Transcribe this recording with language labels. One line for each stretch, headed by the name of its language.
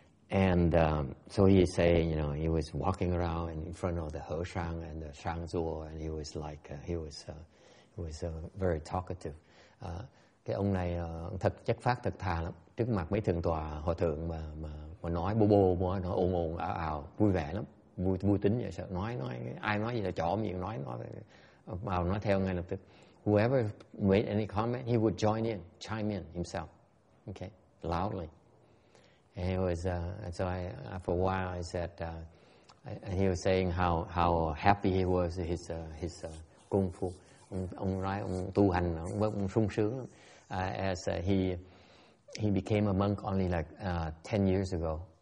English: And so he say, you know, he was walking around in front of the He Shang and the Shang Zuo, and he was like, he was very talkative.
Vietnamese: Cái ông này thật chất phát thật thà lắm, trước mặt mấy thượng tòa hòa thượng mà nói bô bô, nói ồn ồn ào ào, vui vẻ lắm, vui tính vậy, sợ nói ai nói gì là chỏ miệng nói vào nói theo ngay lập tức.
English: Whoever made any comment, he would chime in himself, okay, loudly. And he was for a while I said and he was saying how happy he was his kung fu.
Vietnamese: Ông nói ông tu hành ông sung sướng.
English: As he became a monk only like 10 years ago.